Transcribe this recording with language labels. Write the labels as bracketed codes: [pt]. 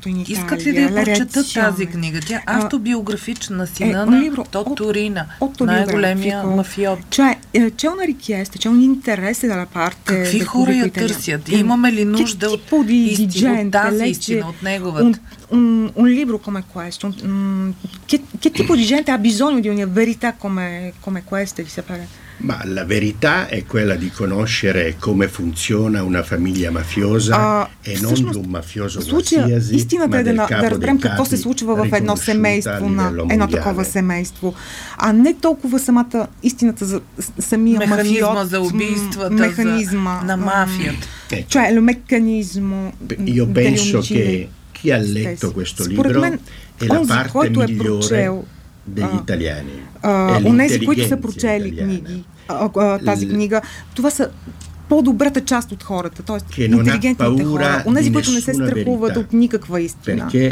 [bg] Искат ли да я прочетат тази книга? Тя е автобиографична, сина на Тоторина, най-големия мафиот. [it] C'è una richiesta, c'è un interesse dalla parte. [bg] Какви хора я търсят? Имаме ли нужда от тази истина, от неговата? [it] Un libro come questo, che tipo di gente ha bisogno di una verità come questa, di sapere? Ma la verità è quella di conoscere come funziona una famiglia mafiosa e non di un mafioso qualsiasi, ma del capo dei capi riconosciuta a livello mondiale. [bg] Едно такова семейство, а не толкова самата истината за самия мафиот, за убийствата, механизма на мафията. [it] Cioè il meccanismo. Io penso che chi ha letto questo libro è la parte migliore degli italiani. [bg] Onesi, които са прочели книги, тази книга, това са по-добрата част от хората, т.е. интелигентните хора, онези, които не се страхуват от никаква истина.